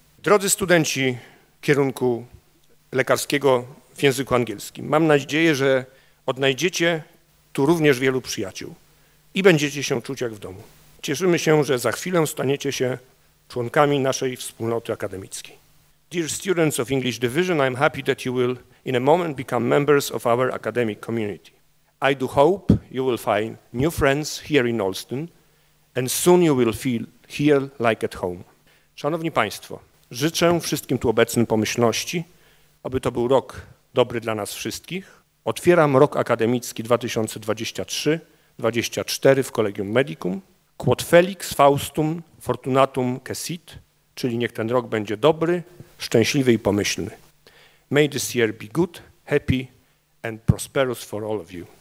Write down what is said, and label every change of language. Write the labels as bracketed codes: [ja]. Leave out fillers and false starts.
[pl] Drodzy studenci kierunku lekarskiego w języku angielskim, mam nadzieję, że odnajdziecie tu również wielu przyjaciół i będziecie się czuć jak w domu. Cieszymy się, że za chwilę staniecie się członkami naszej wspólnoty akademickiej. [en] Dear students of English Division, I am happy that you will in a moment become members of our academic community. I do hope you will find new friends here in Olsztyn and soon you will feel here like at home. [pl] Szanowni Państwo, życzę wszystkim tu obecnym pomyślności, aby to był rok dobry dla nas wszystkich. Otwieram rok akademicki 2023-2024 w Collegium Medicum. [la] Quod felix faustum fortunatum cessit, [pl] czyli niech ten rok będzie dobry, szczęśliwy i pomyślny. [en] May this year be good, happy and prosperous for all of you.